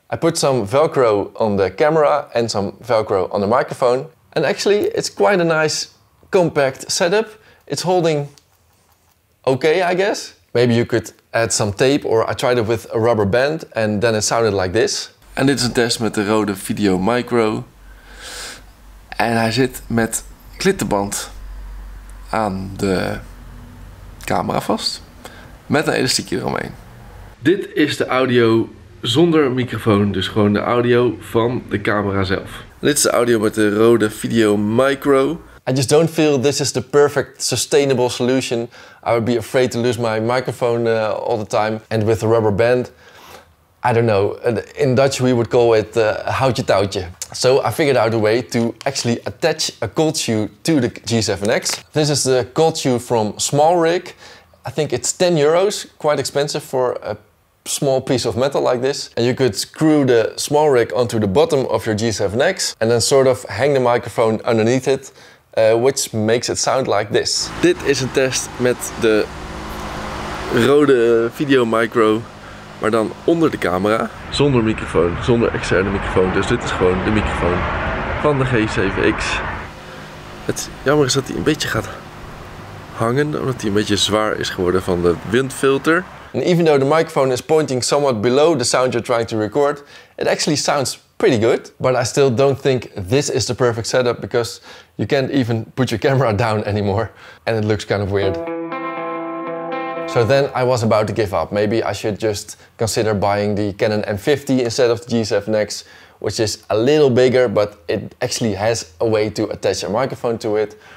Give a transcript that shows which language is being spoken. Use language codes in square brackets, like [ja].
[en] I put some Velcro on the camera and some Velcro on the microphone. And actually it's quite a nice compact setup. It's holding okay, I guess. Maybe you could add some tape or I tried it with a rubber band and then it sounded like this. [nl] En dit is een test met de Rode Video Micro. En hij zit met klittenband aan de camera vast. Met een elastiekje eromheen. Dit is de audio zonder microfoon, dus gewoon de audio van de camera zelf. Dit is de audio met de Rode Video Micro. [en] I just don't feel this is the perfect sustainable solution. I would be afraid to lose my microphone all the time. And with a rubber band, I don't know, in Dutch we would call it [nl] houtje touwtje. [en] So I figured out a way to actually attach a cold shoe to the G7X. This is the cold shoe from Small Rig. I think it's 10 euros, quite expensive for a small piece of metal like this. And you could screw the Small Rig onto the bottom of your G7X and then sort of hang the microphone underneath it, which makes it sound like this. [nl] Dit is een test met de rode video micro. Maar dan onder de camera, zonder microfoon, zonder externe microfoon. Dus dit is gewoon de microfoon van de G7X. Het jammer is dat hij een beetje gaat hangen, omdat hij een beetje zwaar is geworden van de windfilter. [en] And even though the microphone is pointing somewhat below the sound you're trying to record, it actually sounds pretty good. But I still don't think this is the perfect setup, because you can't even put your camera down anymore. And it looks kind of weird. So then I was about to give up. Maybe I should just consider buying the Canon M50 instead of the G7X, which is a little bigger, but it actually has a way to attach a microphone to it.